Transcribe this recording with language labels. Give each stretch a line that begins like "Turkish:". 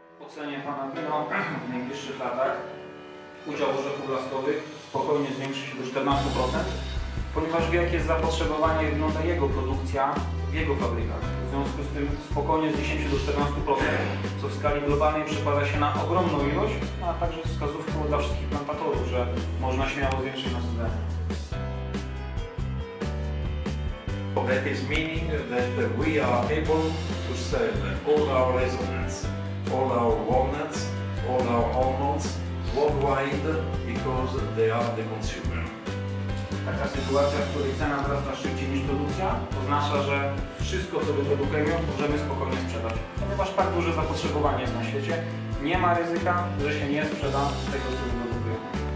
Polish: ocenie pana wino w najbliższych latach udział orzechów laskowych spokojnie zwiększy się do 14%, ponieważ wie, jakie jest zapotrzebowanie, wygląda jego produkcja w jego fabrykach. W związku z tym spokojnie z 10 do 14%, co w skali globalnej przekłada się na ogromną ilość, a także wskazówką dla wszystkich plantatorów, że można śmiało zwiększyć nasz udział.
English: That is meaning that we are able to sell all our raisins, all our walnuts, all our almonds worldwide because they are the consumer.
Polish: Taka sytuacja, w której cena wzrasta szybciej niż produkcja, oznacza, że wszystko, co wyprodukujemy, możemy spokojnie sprzedać. Ponieważ tak duże zapotrzebowanie jest na świecie, nie ma ryzyka, że się nie sprzeda tego, co wyprodukujemy.